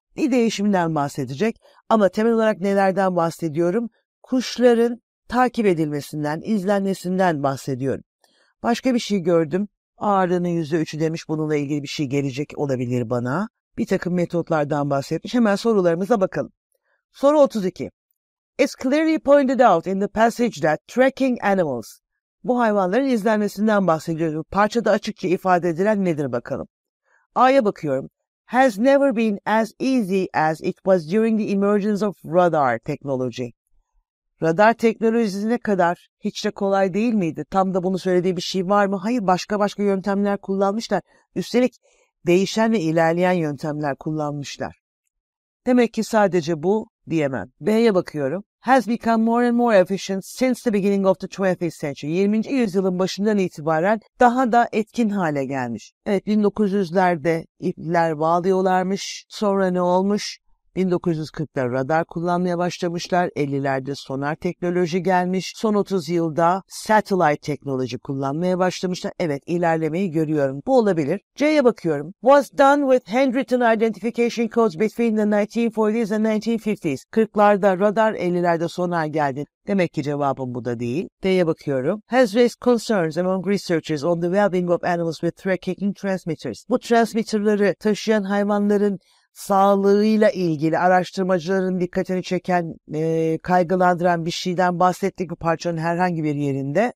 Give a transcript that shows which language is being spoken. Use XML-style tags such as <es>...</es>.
<tr>Bir değişimden bahsedecek ama temel olarak nelerden bahsediyorum? Kuşların takip edilmesinden, izlenmesinden bahsediyorum. Başka bir şey gördüm. Ağırlığının %3'ü demiş, bununla ilgili bir şey gelecek olabilir bana. Bir takım metotlardan bahsetmiş. Hemen sorularımıza bakalım. Soru 32.</tr> <en>It's clearly pointed out in the passage that tracking animals.</en> <tr>Bu hayvanların izlenmesinden bahsediyorum. Parçada açıkça ifade edilen nedir bakalım. A'ya bakıyorum.</tr> <en>Has never been as easy as it was during the emergence of radar technology.</en> <tr>Radar teknolojisi ne kadar hiç de kolay değil miydi? Tam da bunu söylediği bir şey var mı? Hayır, başka başka yöntemler kullanmışlar. Üstelik değişen ve ilerleyen yöntemler kullanmışlar. Demek ki sadece bu diyemem. B'ye bakıyorum.</tr> <en>has become more and more efficient since the beginning of the 20th century.</en> <tr>20. yüzyılın başından itibaren daha da etkin hale gelmiş. Evet, 1900'lerde ipler bağlıyorlarmış. Sonra ne olmuş? 1940'lar radar kullanmaya başlamışlar. 50'lerde sonar teknoloji gelmiş. Son 30 yılda satellite teknoloji kullanmaya başlamışlar. Evet, ilerlemeyi görüyorum. Bu olabilir. C'ye bakıyorum.</tr> <en>Was done with handwritten identification codes between the 1940s and 1950s.</en> <tr>40'larda radar, 50'lerde sonar geldi. Demek ki cevabım bu da değil. D'ye bakıyorum.</tr> <en>Has raised concerns among researchers on the well-being of animals with threat-kicking transmitters.</en> <tr>Bu transmitterları taşıyan hayvanların sağlığıyla ilgili araştırmacıların dikkatini çeken, kaygılandıran bir şeyden bahsettik bu parçanın herhangi bir yerinde.</tr>